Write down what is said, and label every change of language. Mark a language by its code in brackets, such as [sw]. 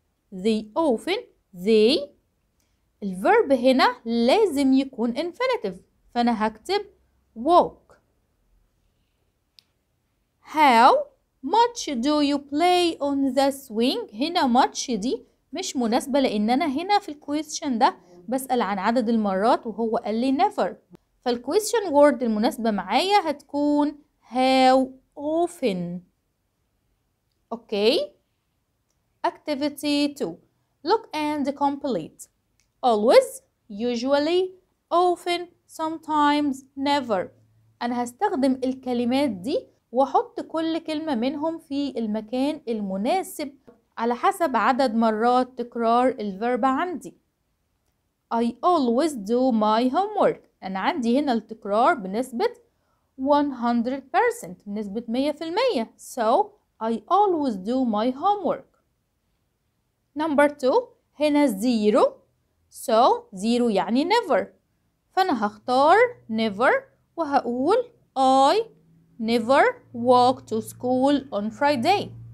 [en] They often walks to school. [ar] الverb هنا لازم يكون infinitive، فانا هكتب walk. [en] How much do you play on the swing؟ [ar] هنا much دي مش مناسبة، لان انا هنا في الكويستشن ده بسأل عن عدد المرات وهو قال لي never، فالquestion word المناسبة معايا هتكون [en] how often. okay. Activity 2, look and complete. Always, usually, often, sometimes, never. [ar] أنا هستخدم الكلمات دي وأحط كل كلمة منهم في المكان المناسب على حسب عدد مرات تكرار الverb عندي. [en] I always do my homework. [ar] أنا عندي هنا التكرار بنسبة 100%، بنسبة 100%. [en] So I always do my homework. Number 2، [ar] هنا [en] 0. So 0 يعني never، [ar] فأنا هختار [en] never [ar] وهقول [en] I never walk to school on Friday.